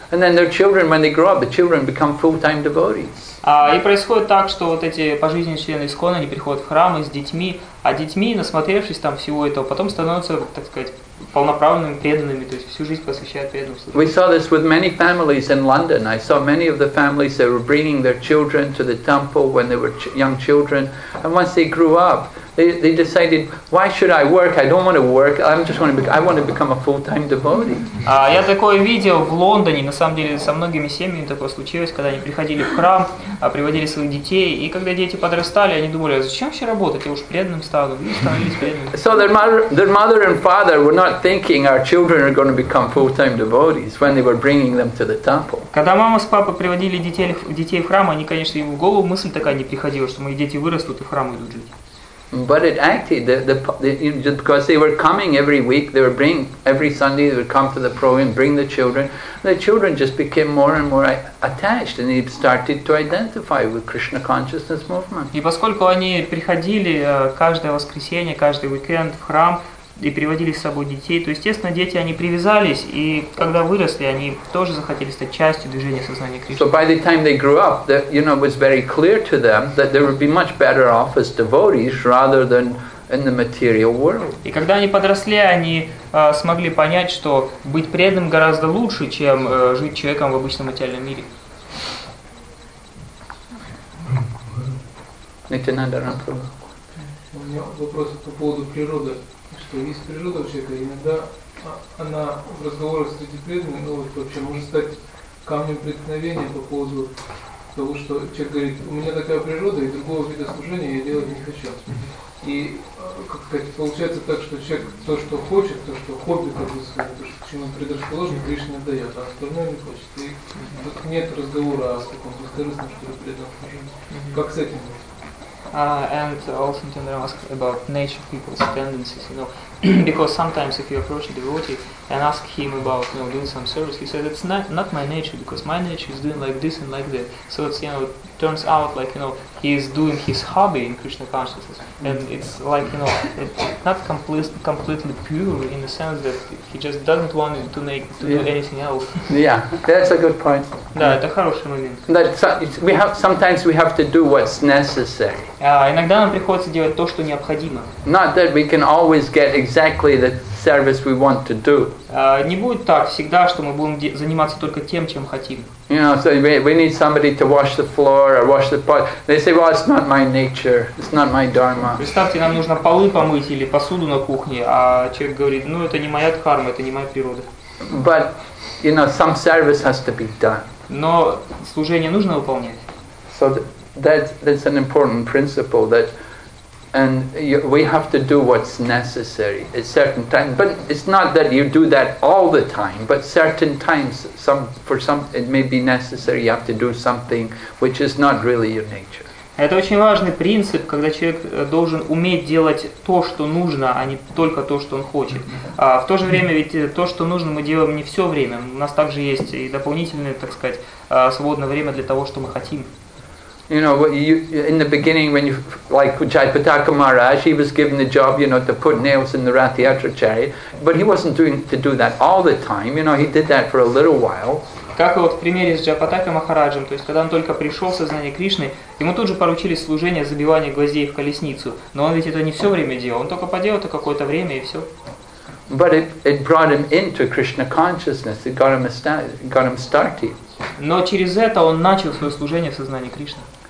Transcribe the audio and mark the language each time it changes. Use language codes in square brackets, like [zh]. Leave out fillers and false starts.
[en] And then their children, when they grow up, the children become full-time devotees. [ru] И происходит так, что вот эти пожизненные члены ИСККОН, они приходят в храмы с детьми, а детьми, насмотревшись там всего этого, потом становятся, так сказать, полноправными преданными, то есть всю жизнь посвящают преданным служению. [en] We saw this with many families in London. I saw many of the families that were bringing their children to the temple when they were young children. And once they grew up, they decided, why should I work? I don't want to work. I want to become a full-time devotee. [ru] Я такое видел в Лондоне. На самом деле, со многими семьями такое случилось, когда они приходили в храм, приводили своих детей, и когда дети подрастали, они думали, а зачем вообще работать? Я уж преданным стану. И становились преданными. [en] So their mother and father were not thinking our children are going to become full-time devotees when they were bringing them to the temple. [ru] Когда мама с папой приводили детей в храм, они, конечно, им в голову мысль такая не приходила, что мои дети вырастут и в храм идут жить. [en] But it acted because they were coming every week. They were bringing every Sunday. They would come to the program, bring the children. The children just became more and more attached, and they started to identify with Krishna consciousness movement. [ru] И поскольку они приходили каждое воскресенье, каждый уикенд в храм, и приводили с собой детей. То есть, естественно, дети, они привязались, и когда выросли, они тоже захотели стать частью движения сознания Кришны. [en] So by the time they grew up, that, you know, it was very clear to them that they would be much better off as devotees rather than in the material world. [ru] И когда они подросли, они смогли понять, что быть преданным гораздо лучше, чем жить человеком в обычном материальном мире. Нитянанда Рампрабху. У меня вопрос по поводу природы. Что есть природа вообще-то, иногда она в разговорах среди преданных, ну вот вообще может стать камнем преткновения по поводу того, что человек говорит, у меня такая природа, и другого вида служения я делать не хочу. И, как сказать, получается так, что человек то, что хочет, то, что хобби, как бы сказать, то, что, чему он предрасположен, Кришна дает, а остальное не хочет. И вот нет разговора о таком бескорыстном, что ли, преданном служении. Как с этим быть? [en] And also to ask about nature people's tendencies, you know, because sometimes if you approach a devotee and ask him about, you know, doing some service, he says it's not my nature, because my nature is doing like this and like that. So it's, you know, it turns out like, you know, he is doing his hobby in Krishna consciousness, and it's like, you know, it's not completely pure in the sense that he just doesn't want to do anything else. Yeah, that's a good point. [ru] Да, это хороший момент. [en] Sometimes we have to do what's necessary. [ru] Иногда нам приходится делать то, что необходимо. [en] Not that we can always get exactly the service we want to do. [ru] Не будет так всегда, что мы будем заниматься только тем, чем хотим. [en] You know, so we need somebody to wash the floor or wash the pot. They say, well, it's not my nature, it's not my dharma. [ru] Представьте, нам нужно полы помыть или посуду на кухне, а человек говорит, ну это не моя дхарма, это не моя природа. [en] But, you know, some service has to be done. [ru] Но служение нужно выполнять. [en] So that's an important principle that. And we have to do what's necessary at certain times. But it's not that you do that all the time, but certain times, it may be necessary you have to do something which is not really your nature. [ru] Это очень важный принцип, когда человек должен уметь делать то, что нужно, а не только то, что он хочет. В то же время ведь то, что нужно, мы делаем не все время. У нас также есть и дополнительное, так сказать, свободное время для того, что мы хотим. [en] You know, in the beginning, when you, like Jayapataka Maharaj, he was given the job, you know, to put nails in the Rathyatra chariot, but he wasn't doing that all the time, you know, he did that for a little while. [ru] Как и вот в примере с Джайапатакой Махараджем, то есть когда он только пришел в сознание Кришны, ему тут же поручили служение забивания гвоздей в колесницу, но он ведь это не все время делал, он только поделал это какое-то время и все. [en] But it brought him into Krishna consciousness, it got him started. [ru] Но через это он начал свое служение в сознании Кришны.